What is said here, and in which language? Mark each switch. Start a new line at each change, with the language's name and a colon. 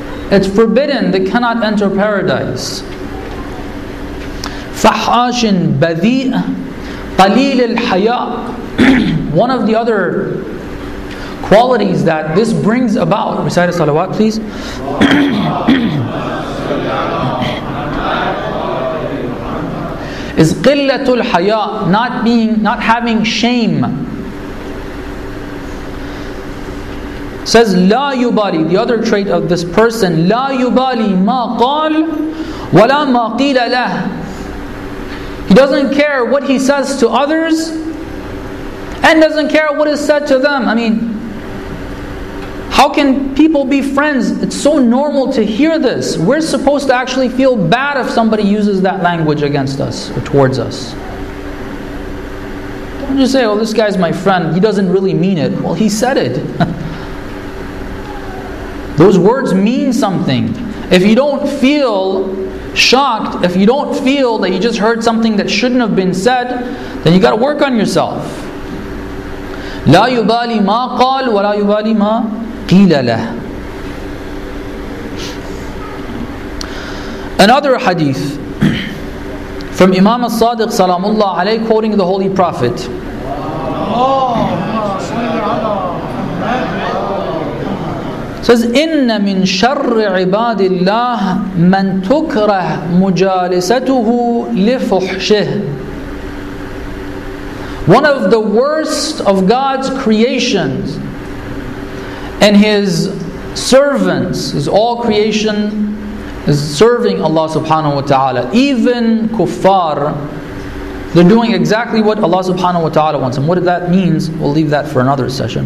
English: It's forbidden, they cannot enter paradise.
Arabic: فَحَاشٍ بَذِيءٍ قَلِيلِ الْحَيَاءِ
English: One of the other qualities that this brings about, recite a salawat please. Is
Arabic: قِلَّةُ الْحَيَاءِ
English: not having shame.
Arabic: Says لا يبالي,
English: the other trait of this person,
Arabic: لا يبالي ما قال ولا ما قيل له.
English: He doesn't care what he says to others and doesn't care what is said to them. I mean, how can people be friends? It's so normal to hear this. We're supposed to actually feel bad if somebody uses that language against us or towards us. Don't just say, oh, this guy's my friend, he doesn't really mean it. Well, he said it. Those words mean something. If you don't feel shocked, if you don't feel that you just heard something that shouldn't have been said, then you got to work on yourself.
Arabic: لا يبالي ما قال ولا يبالي ما قيل له.
English: Another hadith from Imam al-Sadiq salamullah alayhi, quoting the Holy Prophet.
Arabic: Says إن من شر عباد الله من تكره مجالسته لفحشه.
English: One of the worst of God's creations and His servants, is all creation is serving Allah subhanahu wa ta'ala. Even kuffar, they're doing exactly what Allah subhanahu wa ta'ala wants. And what that means, we'll leave that for another session.